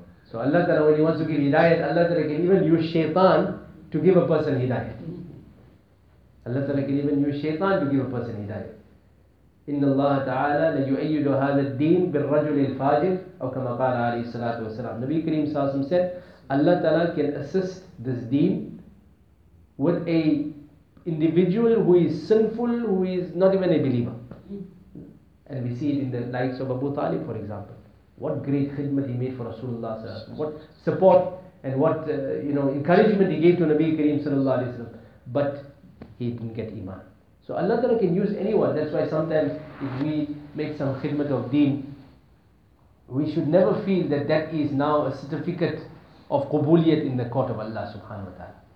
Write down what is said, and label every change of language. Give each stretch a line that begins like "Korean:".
English: So Allah Ta'ala, when he wants to give hidayat, Allah Ta'ala can even use shaitan to give a person hidayat. Allah Ta'ala can even use shaitan to give a person hidayat.
Arabic: إن الله تعالى لا يؤيد هذا الدين بالرجل الفاجر أو كما قال عليه الصلاة والسلام النبي الكريم صلى الله عليه وسلم
English: said Allah Ta'ala can assist this deen with a individual who is sinful, who is not even a believer. And we see it in the likes of Abu Talib, for example. What great khidmat he made for Rasulullah صلى الله عليه وسلم. What support and what encouragement he gave to Nabi Kareem صلى الله عليه وسلم. But he didn't get iman. So Allah Ta'ala can use anyone. That's why sometimes if we make some khidmat of deen, we should never feel that that is now a certificate of qubuliyat in the court of Allah subhanahu wa ta'ala.